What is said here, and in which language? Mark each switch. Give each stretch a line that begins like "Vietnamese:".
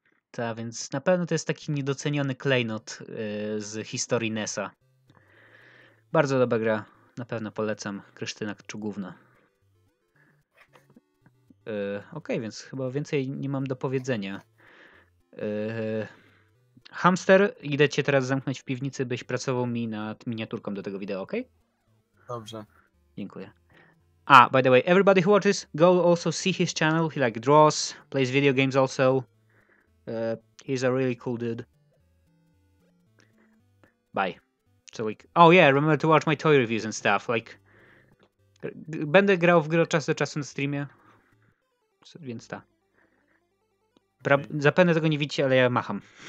Polish: Tak, więc na pewno to jest taki niedoceniony klejnot z historii NES-a. Bardzo dobra gra. Na pewno polecam. Krysztyna Kczugówna. Okej, więc chyba więcej nie mam do powiedzenia. Hamster, idę cię teraz zamknąć w piwnicy, byś pracował mi nad miniaturką do tego wideo, okej? Dobrze. Dziękuję.
English: By the way, everybody who watches, go also see his channel. He like draws, plays video games also. He's a really cool dude. Bye. So like, oh yeah, remember to watch my toy reviews and stuff.
Polish: Like, będę grał w grę od czasu do czasu na streamie. Więc ta. Zapewne tego nie widzicie, ale ja macham.